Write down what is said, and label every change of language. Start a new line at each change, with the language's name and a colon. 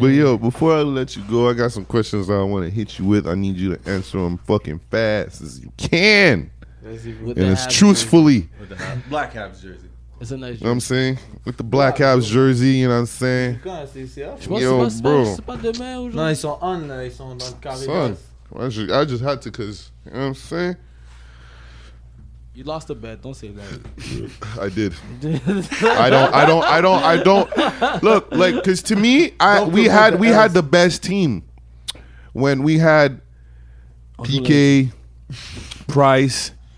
English: But yo, before I let you go, I got some questions that I want to hit you with. I need you to answer them fucking fast as you can. And it's truthfully. With the black Habs jersey. It's a nice jersey. You know what I'm saying? With the black Habs jersey, you know what I'm saying? Yo, bro.
French: No, ils sont on. Ils sont dans le carré.
English: Son. I just had to because, you know what I'm saying? You lost a bet. Don't say that. I did. I don't. Look, like, cause to me, we had the best team when we had PK, Price,